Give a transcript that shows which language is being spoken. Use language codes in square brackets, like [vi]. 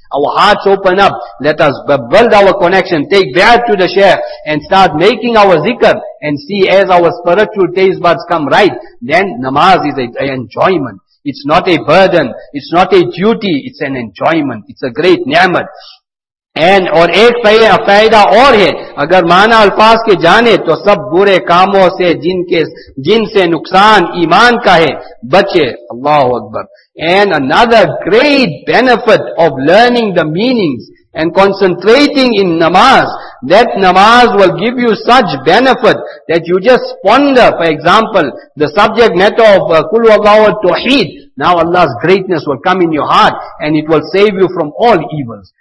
[en] Our hearts open up, let us build our connection, take bi'at to the Shaykh, and start making our zikr, and see as our spiritual taste buds come right, then namaz is an enjoyment. It's not a burden, it's not a duty, it's an enjoyment, it's a great ni'mat. [ur] And اور ایک فائدہ اور ہے, اگر معنی الفاظ کے جانے تو سب برے کاموں سے جن سے نقصان ایمان کا ہے بچے, اللہ اکبر. [en] And another great benefit of learning the meanings and concentrating in namaz, that namaz will give you such benefit that you just ponder, for example, the subject matter of Qul Huwallahu Ahad Tawheed. Now Allah's greatness will come in your heart and it will save you from all evils.